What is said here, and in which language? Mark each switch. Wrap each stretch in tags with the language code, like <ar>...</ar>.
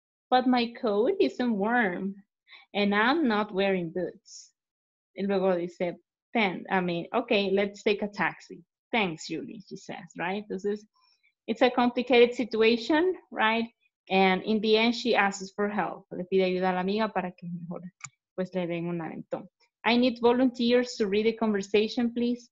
<en>But my coat isn't warm and I'm not wearing boots.</en> <es>Y luego dice,</es> <en>okay, let's take a taxi. Thanks, Julie, she says, right? It's a complicated situation, right? And in the end, she asks for help.</en> <es>Le pide ayuda a la amiga para que mejor, pues, le den un aventón.</es> <en>I need volunteers to read the conversation, please.</en>